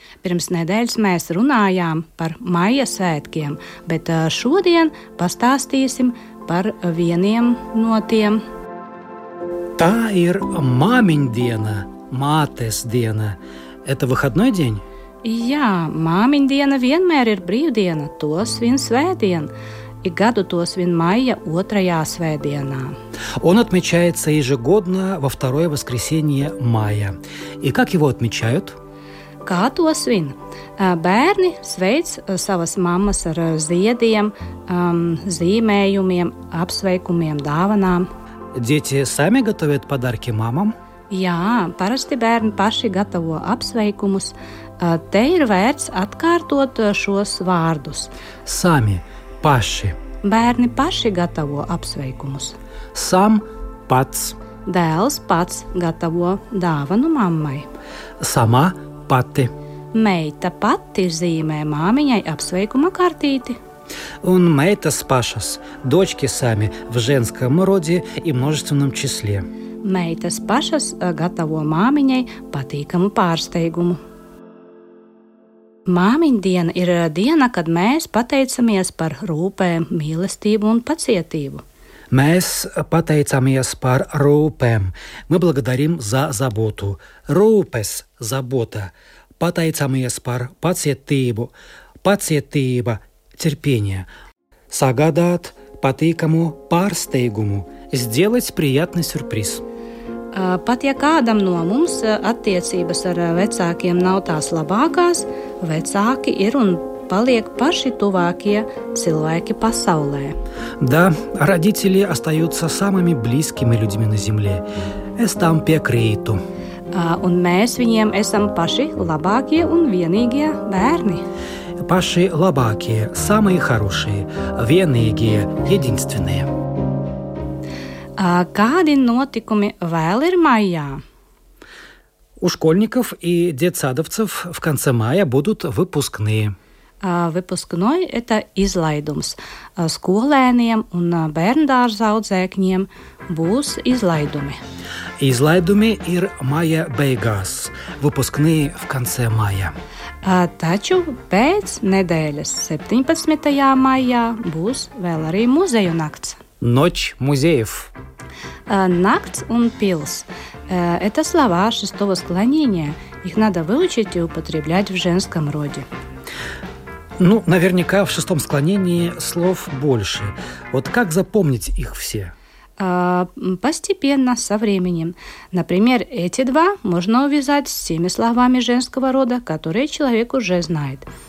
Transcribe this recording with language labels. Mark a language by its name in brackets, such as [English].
[Latvian] Pirms nedēļas mēs runājām par maija svētkiem, bet šodien pastāstīsim par vieniem no tiem. Tā ir māmiņdiena, mātes diena. [Russian] Это выходной день? [Latvian] Jā, māmiņdiena vienmēr ir brīvdiena, to svin svētdien. Ik gadu to svin maija otrajā svētdienā. [Russian] Он отмечается ежегодно во второе воскресенье мая. И как его отмечают? [Latvian] Kā to svin? Bērni sveic savas mammas ar ziediem, zīmējumiem, apsveikumiem, dāvanām. [Russian] Дети сами готовят подарки мамам? [Latvian] Jā, parasti bērni paši gatavo apsveikumus. Te ir vērts atkārtot šos vārdus. Sami, paši. Bērni paši gatavo apsveikumus. Sam, pats. Dēls pats gatavo dāvanu mammai. Sama, pati. Meita pati zīmē māmiņai apsveikuma kartīti. Un meitas pašas, [Russian] dočki sami, v ženskam rodi i množestvenam čislē. [Latvian] Meitas pašas gatavo māmiņai patīkamu pārsteigumu. Māmiņdiena ir diena, kad mēs pateicamies par rūpēm, mīlestību un pacietību. Mēs pateicamies par rūpēm. [Russian] Мы благодарим за заботу. [Latvian] Rūpes, забота. Pateicamies par pacietību. Pacietība, терпение. Sagādāt patīkamu pārsteigumu. [Russian] Сделать приятный сюрприз. [Latvian] Pat ja kādam no mums attiecības ar vecākiem nav tās labākās, vecāki ir un paliek paši tuvākie cilvēki pasaulē. [Russian] Да, родители остаются самыми близкими людьми на земле. [Latvian] Es tam piekrītu. Un mēs viņiem esam paši labākie un vienīgie bērni. Paši labākie, [Russian] самые хорошие, [Latvian] vienīgie, единственные. Kādi notikumi vēl ir maijā? [Russian] У школьников и детсадовцев в конце мая будут выпускные. Выпускной – это izlaidums. [Latvian] Skolēniem un bērndārza audzēkņiem būs izlaidumi. Izlaidumi ir maija beigās. [Russian] Выпускные в конце мая. [Latvian] Taču pēc nedēļas 17. maijā būs vēl arī muzeju nakts. [Russian] Ночь музеев. [Latvian] Nakts un pils. [Russian] Это слова шестого склонения. Их надо выучить и употреблять в женском роде. Ну, наверняка в шестом склонении слов больше. Вот как запомнить их все? Постепенно, со временем. Например, эти два можно увязать с теми словами женского рода, которые человек уже знает.